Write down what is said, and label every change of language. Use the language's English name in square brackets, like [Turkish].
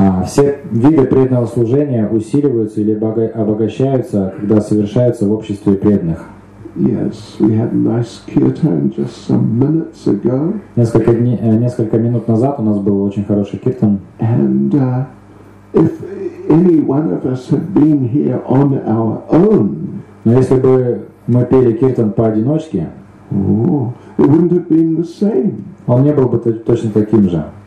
[Russian] Все виды преданного служения усиливаются или обогащаются, когда совершаются в обществе преданных. [English] Yes, we had a nice kirtan just some minutes ago. [Russian] Несколько минут назад у нас был очень хороший киртан. [English] And if any one of us had been here on our own, [Russian] но если бы мы пели киртан поодиночке, [English] It wouldn't have been the same. [Russian] Он не был бы точно таким же.